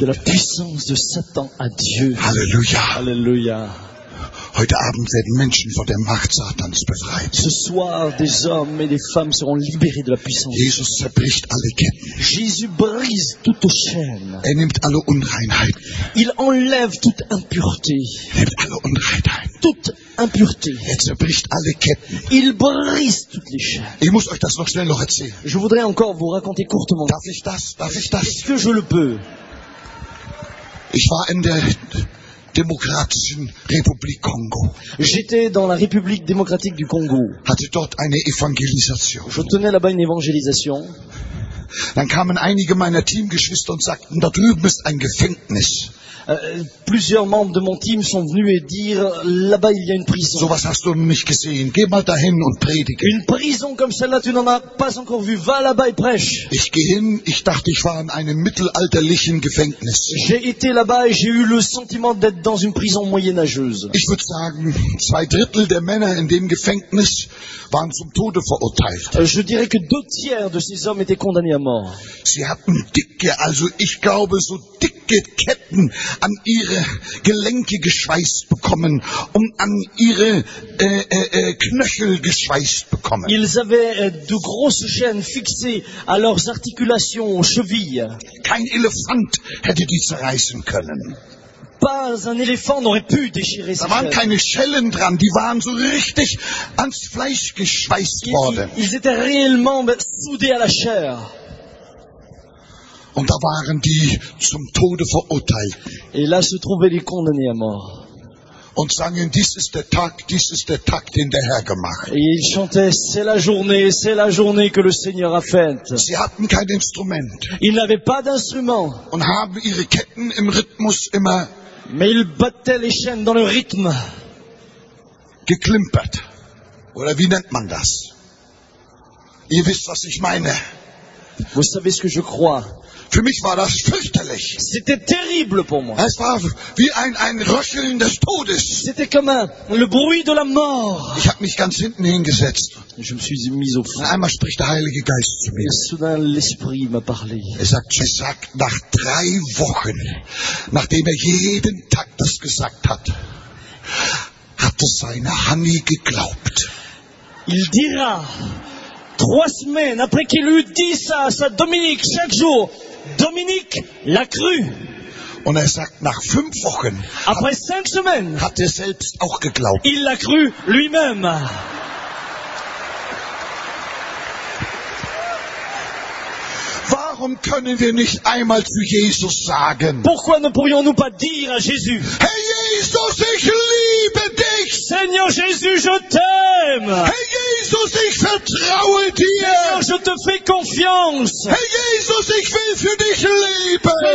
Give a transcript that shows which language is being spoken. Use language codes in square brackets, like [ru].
[fr] De la puissance de Satan à Dieu. Alléluia. Alléluia. [de] Heute Abend werden Menschen von der Macht Satans befreit. [fr] Ce soir, des hommes et des femmes seront libérés de la puissance. [de] Jesus zerbricht alle Ketten. [fr] Jésus brise toute chaîne. [de] Er nimmt alle Unreinheiten. [fr] Il enlève toute impureté. [de] Nimmt alle Unreinheiten. [fr] Toute impureté. [de] Er zerbricht alle Ketten. [fr] Il brise toutes les chaînes. [de] Ich muss euch das noch schnell noch erzählen. [fr] Je voudrais encore vous raconter courtement. [de] Darf ich das? Darf ich das? [fr] Est-ce que je le peux? [de] Ich war in der Demokratischen Republik Kongo. [fr] J'étais dans la République démocratique du Congo. [de] Hatte dort eine Evangelisation. [fr] Je tenais là-bas une évangélisation. [de] Dann kamen einige meiner Teamgeschwister und sagten, da drüben ist ein Gefängnis. [fr] Plusieurs membres de mon team sont venus et dire, là-bas il y a une prison. [de] So was hast du noch nicht gesehen. Geh mal dahin und predige. [fr] Une prison comme celle-là, tu n'en as pas encore vu. Va là-bas et prêche. [de] Ich gehe hin, ich dachte, ich war in einem mittelalterlichen Gefängnis. [fr] J'ai été là-bas et j'ai eu le sentiment d'être dans une prison moyenâgeuse. [de] Ich würde sagen, zwei Drittel der Männer in dem Gefängnis waren zum Tode verurteilt. [fr] Je dirais que deux tiers de ces hommes étaient condamnés à mort. [de] Sie hatten dicke, also ich glaube, so dicke Ketten an ihre Gelenke geschweißt bekommen und an ihre Knöchel geschweißt bekommen. [fr] Ils avaient de grosses chaînes fixées à leurs articulations, aux chevilles. [de] Kein Elefant hätte die zerreißen können. [fr] Pas un éléphant n'aurait pu déchirer ces chaînes. [de] Da waren keine Schellen dran, die waren so richtig ans Fleisch geschweißt worden. [fr] Ils étaient réellement soudés à la chair. [de] Und da waren die zum Tode verurteilt. [fr] Et là se trouvaient les condamnés à mort. [de] Und sangen, dies ist der Tag, dies ist der Tag, den der Herr gemacht. [fr] Et ils chantaient, c'est la journée que le Seigneur a faite. [de] Sie hatten kein Instrument. [fr] Ils n'avaient pas d'instrument. [de] Und haben ihre Ketten im Rhythmus immer. [fr] Mais ils battaient les chaînes dans le rythme. [de] Geklimpert. Oder wie nennt man das? Ihr wisst, was ich meine. [fr] Vous savez ce que je crois. [de] Für mich war das fürchterlich. [fr] C'était terrible pour moi. [de] Es war wie ein Röcheln des Todes. [fr] C'était comme le bruit de la mort. [de] Ich habe mich ganz hinten hingesetzt. [fr] Je me suis mis au fond. [de] Einmal spricht der Heilige Geist zu mir. [fr] Et soudain l'esprit m'a parlé. [de] Er sagt, nach drei Wochen, nachdem er jeden Tag das gesagt hat, hat es seine Honey geglaubt. [fr] Il dira, Trois semaines après qu'il eut dit ça à sa Dominique chaque jour, Dominique l'a cru. [de] Und er sagt, nach fünf Wochen [fr] après cinq semaines, [de] hat er selbst auch geglaubt. [fr] Il l'a cru lui-même. [de] Warum können wir nicht einmal zu Jesus sagen, [fr] pourquoi ne pourrions-nous pas dire à Jésus, [de] hey Jesus, ich liebe dich. [fr] Seigneur Jésus, je t'aime. [de] Hey Jesus, ich vertraue dir. [fr] Seigneur, je te fais confiance. [de] Hey Jesus, ich will für dich leben.